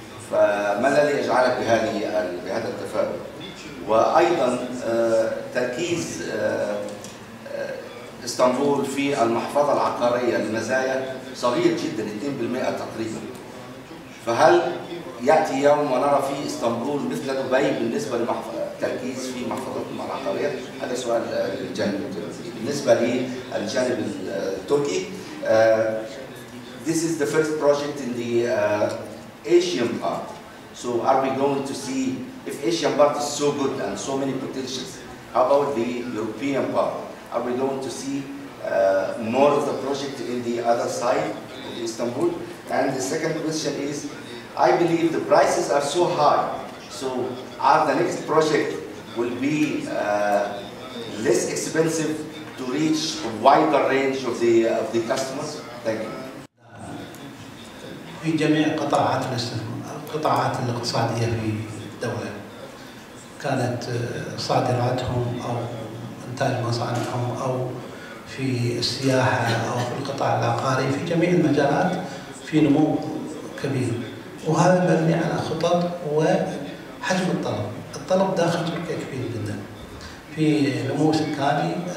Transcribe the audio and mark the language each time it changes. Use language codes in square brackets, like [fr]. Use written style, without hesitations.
[ar] فما الذي يجعلك بهذا التفاؤل؟ وأيضا تركيز اسطنبول في المحفظة العقارية للمزايا صغير جدا 2% تقريبا. فهل يأتي يوم ونرى في اسطنبول مثل دبي بالنسبة للتركيز في محفظتكم العقارية؟ هذا سؤال للجانب التركي. بالنسبة للجانب التركي [en] this is the first project in the Asian part. So are we going to see, if Asian part is so good and so many potentials, how about the European part? Are we going to see more of the project in the other side of Istanbul? And the second question is, I believe the prices are so high, so are the next project will be less expensive to reach a wider range of the customers? Thank you. [ar] في جميع قطاعات القطاعات الاقتصادية في الدولة كانت صادراتهم أو إنتاج مصانعهم أو في السياحة أو في القطاع العقاري في جميع المجالات في نمو كبير وهذا مبني على خطط وحجم الطلب الطلب داخل تركيا كبير جدا في نمو سكاني